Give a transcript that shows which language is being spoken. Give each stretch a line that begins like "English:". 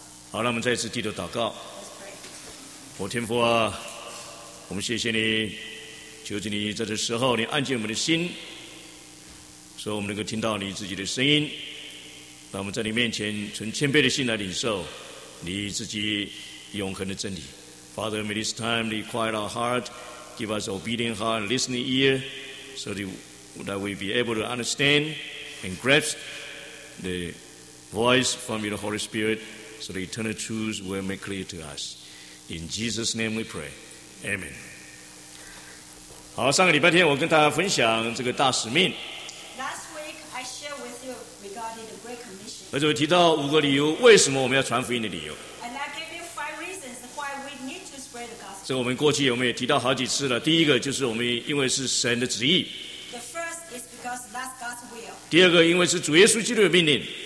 Chinese: 好，那我们再一次低头祷告。我天父啊，我们谢谢你，求求你在这时候你安静我们的心，所以我们能够听到你自己的声音。那我们在你面前存谦卑的心来领受你自己永恒的真理。
English: Father, may this time be quiet our heart, give us obedient heart and listening ear, so that we be able to understand and grasp the voice from your Holy Spirit,So the eternal truths will make clear to us. In Jesus' name we pray. Amen.
Chinese: 好，上个礼拜天我跟大家分享这个大使命。
English: Last week I shared with you regarding the Great Commission.
Chinese: 而且我提到五个理由，为什么我们要传福音的理由。
English: And I gave you five reasons why we need to spread the gospel.
Chinese: 这我们过去我们也提到好几次了。第一个就是我们因为是神的旨意。
English: The first is because that's God's will.
Chinese: 第二个因为是主耶稣基督的命令。